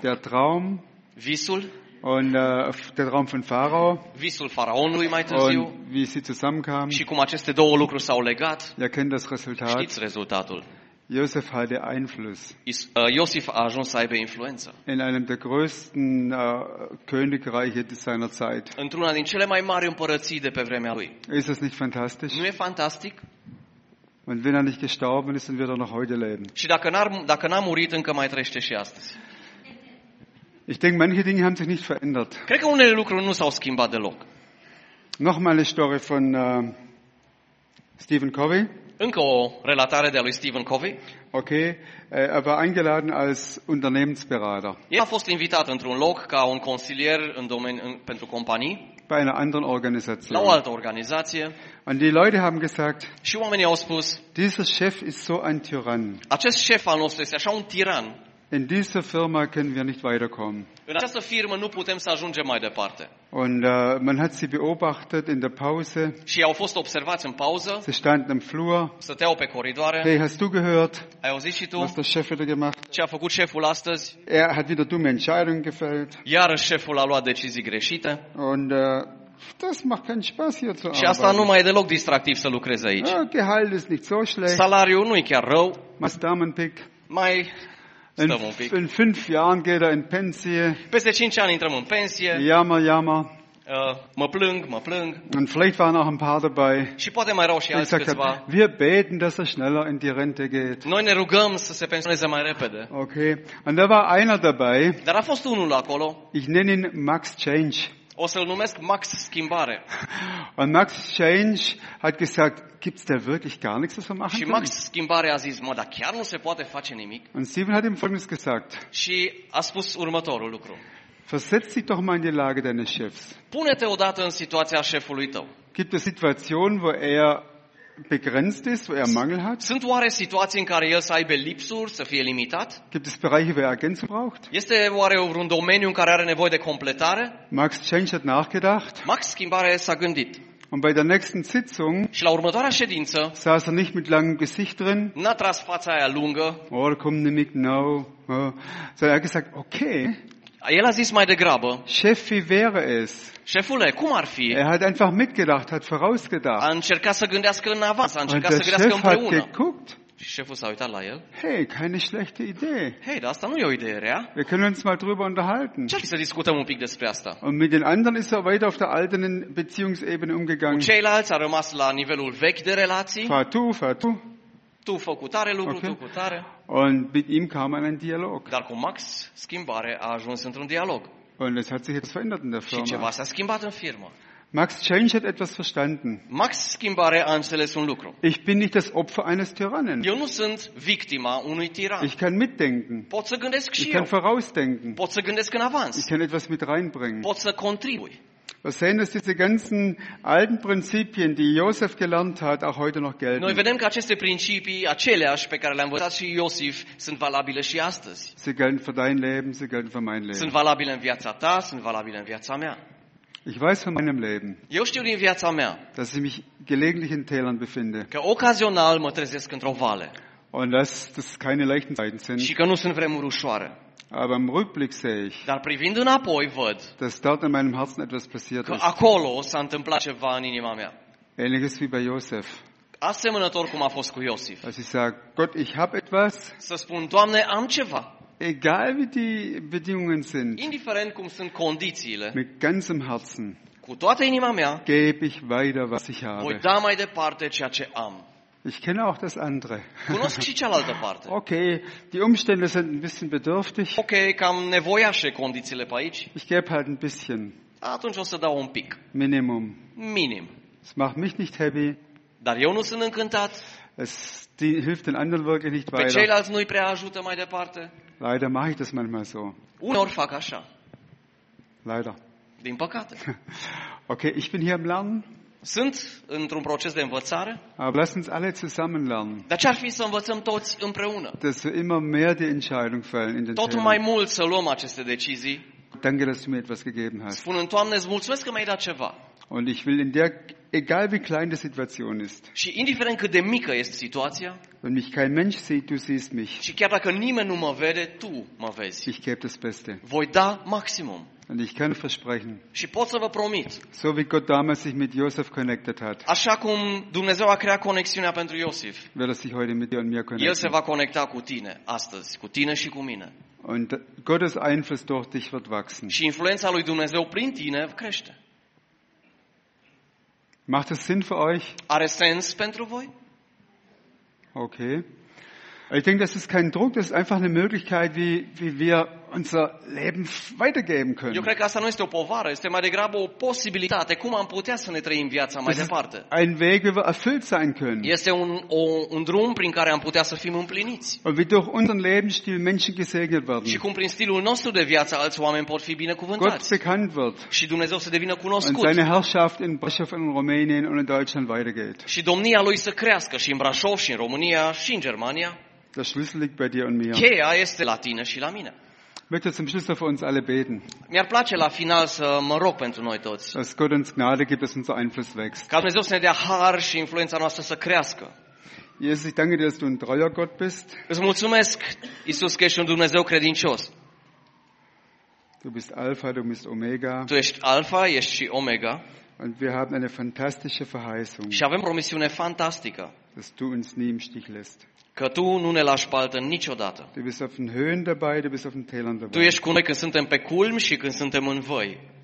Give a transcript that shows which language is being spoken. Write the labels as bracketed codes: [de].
[de] Der Traum. [ro] Visul. [de] Und der Traum von Pharao. [ro] Visul faraonului mai târziu. [de] Und wie sie zusammenkamen. [ro] Și cum aceste două lucruri s-au legat. [de] Ihr kennt das Resultat. [ro] Știți rezultatul. [de] Josef hatte Einfluss. [ro] Iosif a ajuns să aibă influență. [de] In einem der größten Königreiche seiner Zeit. [ro] Într-una din cele mai mari împărății de pe vremea lui. [de] Ist das nicht fantastisch? [ro] Nu e fantastic? [de] Und wenn er nicht gestorben ist, dann wird er noch heute leben. [ro] Și dacă n-a murit, încă mai trăiește și astăzi. [de] Ich denke, manche Dinge haben sich nicht verändert. [ro] Cred că unele lucruri nu s-au schimbat deloc. [de] Nochmal eine Story von Stephen Covey. [ro] Încă o relatare de a lui Stephen Covey. [de] Okay, er war eingeladen als Unternehmensberater. [ro] El a fost invitat într-un loc ca un consilier în domeniu pentru companii. [de] Bei einer anderen Organisation. [ro] La o altă organizație. [de] Und die Leute haben gesagt. [ro] Și oamenii au spus. [de] Dieser Chef ist so ein Tyrann. [ro] Acest șef al nostru este așa un tiran. [de] In dieser Firma können wir nicht weiterkommen. [ro] În această firmă nu putem să ajungem mai departe. [de] Und man hat sie beobachtet in der Pause. [ro] Și au fost observați în pauză. [de] Sie standen im Flur. [ro] Stăteau pe coridoare. [de] Hey, hast du gehört? [ro] Ai auzit și tu? [de] Was der Chef wieder gemacht? [ro] Ce a făcut șeful astăzi? [de] Er hat wieder dumme Entscheidungen gefällt. [ro] Iar șeful a luat decizii greșite. [de] Und das macht keinen Spaß hier zu arbeiten. [ro] Și asta nu mai e deloc distractiv să lucrezi aici. [de] Ah, Gehalt ist nicht so schlecht. [ro] Salariul nu e chiar rău. [de] Was Damenpick? [ro] Mai [de] in 5 Jahren geht er in Pensie. [ro] Peste 5 ani intrăm în pensie. Yama, yama. Mă plâng. [de] Und vielleicht waren auch ein paar dabei. [ro] Și poate mai erau și alți câțiva. [de] Wir beten, dass er schneller in die Rente geht. [ro] Noi ne rugăm să se pensioneze mai repede. [de] Okay. Und da war einer dabei. [ro] Dar a fost unul acolo. [de] Ich nenne ihn Max Change. [ro] O să-l numesc Max Schimbare. [de] Und Max Change hat gesagt, gibt's da wirklich gar nichts, was wir machen [ro] können? Și Max Schimbare a zis, mă, dar chiar nu se poate face nimic? [de] Und Stephen hat ihm folgendes gesagt. [ro] Și a spus următorul lucru. [de] Versetz dich doch mal in die Lage deines Chefs. [ro] Pune-te odată în situația șefului tău. [de] Gibt es Situationen, wo er begrenzt ist, wo Mangel hat? [ro] Sunt oare situații în care el să aibă lipsuri, să fie limitat? [de] Gibt es Bereiche, wo Ergänzung braucht? [ro] Este oare un domeniu în care are nevoie de completare? [de] Max Change hat nachgedacht. [ro] Max Schimbare s-a gândit. [de] Und bei der nächsten Sitzung [ro] și la următoarea ședință [de] saß nicht mit langem Gesicht drin. [ro] N-a tras fața aia lungă. [de] Or, komm, nimm ich, no. So, er hat gesagt, okay. [ro] El a zis mai degrabă. [de] Chef, wie wäre es? [ro] Șefule, cum ar fi? [de] Er hat einfach mitgedacht, hat vorausgedacht. [ro] A încercat să gândească în avans, a încercat să gândească împreună. [de] Und der Chef hat geguckt. [ro] Și șeful s-a uitat la el. [de] Hey, keine schlechte Idee. [ro] Hey, da, asta nu e o idee rea. [de] Wir können uns mal drüber unterhalten. [ro] Ce-ar fi să discutăm un pic despre asta? [de] Und mit den anderen ist er weiter auf der alten Beziehungsebene umgegangen. [ro] Cu ceilalți a rămas la nivelul vechi de relații. Fa tu. Tu făcut tare lucru, okay. Tu cu tare. [de] Und mit ihm kam ein Dialog. [ro] Dar cu Max, schimbare, a ajuns într-un dialog. [de] Und es hat sich jetzt verändert in der Firma. [ro] Și ceva s-a schimbat în firmă. [de] Max Change hat etwas verstanden. [ro] Max Schimbare a înțeles un lucru. [de] Ich bin nicht das Opfer eines Tyrannen. [ro] Eu nu sunt victima unui tiran. [de] Ich kann mitdenken. [ro] Pot să gândesc și [de] eu. Ich kann vorausdenken. [ro] Pot să gândesc în avans. [de] Ich kann etwas mit reinbringen. [ro] Pot să contribui. [de] Wir sehen, dass diese ganzen alten Prinzipien, die Josef gelernt hat, auch heute noch gelten. [ro] Noi vedem că aceste principii, aceleași pe care le-a învățat și Iosif, sunt valabile și astăzi. [de] Sie gelten für dein Leben, sie gelten für mein Leben. [ro] Sunt valabile în viața ta, sunt valabile în viața mea. [de] Ich weiß von meinem Leben, [ro] eu știu din viața mea, [de] dass ich mich gelegentlich in Tälern befinde. [ro] Că ocazional mă trezesc într-o vale. [de] Und dass das keine leichten Zeiten sind. [ro] Și că nu sunt vremuri ușoare. [de] Aber im Rückblick sehe ich, [ro] dar privind înapoi văd, [de] dass dort in meinem Herzen etwas passiert [ro] că acolo s-a întâmplat ceva în inima mea. [de] Ähnliches wie bei Josef. [ro] Asemănător cum a fost cu Iosif. [de] Als ich sage, Gott, ich habe etwas. [ro] Să spun, Doamne, am ceva. [de] Egal wie die Bedingungen sind. [ro] Indiferent cum sunt condițiile. [de] Mit ganzem Herzen. [ro] Cu toată inima mea. [de] Gebe ich weiter, was ich habe. [ro] Voi da mai departe ceea ce am. [de] Ich kenne auch das andere. [ro] Cunosc și cealaltă parte. [de] Okay, die Umstände sind ein bisschen bedürftig. [ro] Okay, cam nevoiașe condițiile pe aici. [de] Ich gebe halt ein bisschen. [ro] Atunci o să dau un pic. [de] Minimum. [ro] Minim. [de] Es macht mich nicht happy. [ro] Dar eu nu sunt încântat. [de] Es die, hilft den anderen wirklich nicht weiter. [ro] Pe ceilalți nu-i prea ajută mai departe. [de] Leider mache ich das manchmal so. [ro] Uneori fac așa. [de] Leider. [ro] Din păcate. [de] Okay, ich bin hier am Lernen. [ro] Sunt într-un proces de învățare. [de] Aber lass uns alle zusammen lernen. [ro] Dar ce-ar fi să învățăm toți împreună? [de] Dass wir immer mehr die Entscheidung fällen in den [ro] Tot mai mult să luăm aceste decizii. [de] Danke, dass du mir etwas gegeben hast. [ro] Spun, Doamne, îți mulțumesc că mi-ai dat ceva. [de] Und ich will in der, egal wie klein die Situation ist. [ro] Și indiferent cât de mică este situația. [de] Wenn mich kein Mensch sieht, du siehst mich. [ro] Și chiar dacă nimeni nu mă vede, tu mă vezi. [de] Ich gebe das Beste. [ro] Voi da maximum. [de] Und ich kann versprechen. [ro] Și pot să vă promit. [de] So wie Gott damals sich mit Josef connected hat. [ro] Așa cum Dumnezeu a creat conexiunea pentru Iosif. [de] Wird sich heute mit dir und mir connecten. [ro] El se va conecta cu tine astăzi, cu tine și cu mine. [de] Und Gottes Einfluss durch dich wird wachsen. [ro] Și influența lui Dumnezeu prin tine crește. [de] Macht es Sinn für euch? [ro] Are sens pentru voi? Okay. [de] Ich denke, das ist kein Druck, das ist einfach eine Möglichkeit, wie wir unser Leben weitergeben können. [ro] Eu cred că asta nu este o povară, este mai degrabă o posibilitate, cum am putea să ne trăim viața mai departe. [de] Ein Weg, wie wir erfüllt sein können. [ro] Este un drum prin care am putea să fim împliniți. [de] Und wie durch unseren Lebensstil Menschen gesegnet werden. [ro] Și cum prin stilul nostru de viață alți oameni pot fi binecuvântați. [de] Gott bekannt wird. [ro] Și Dumnezeu să devină cunoscut. [de] Und seine Herrschaft in Brașov, in Rumänien und in Deutschland weitergeht. [ro] Și domnia lui să crească și în Brașov, și în România, și în Germania. [de] Der Schlüssel liegt bei dir und mir. [ro] Cheia este la tine și la mine. [de] Möchte zum Schluss für uns alle beten. [ro] Mi-ar place la final să mă rog pentru noi toți. [de] Dass Gott uns Gnade gibt, dass unser Einfluss wächst. [ro] Ca Dumnezeu să ne dea har și influența noastră să crească. [de] Jesus, ich danke dir, dass du ein treuer Gott bist. [ro] Îți mulțumesc, Iisus, că ești un Dumnezeu credincios. [de] Du bist Alpha, du bist Omega. [ro] Tu ești Alpha, ești și Omega. [de] Und wir haben eine fantastische Verheißung. [ro] Și avem promisiune fantastică. [de] Dass du uns nie im Stich lässt. [ro] Că tu nu ne lași spaltă niciodată. [de] Du bist auf den Höhen dabei, du bist auf den Tälern dabei. [ro] Tu ești cu noi când suntem pe culmi și când suntem în voi.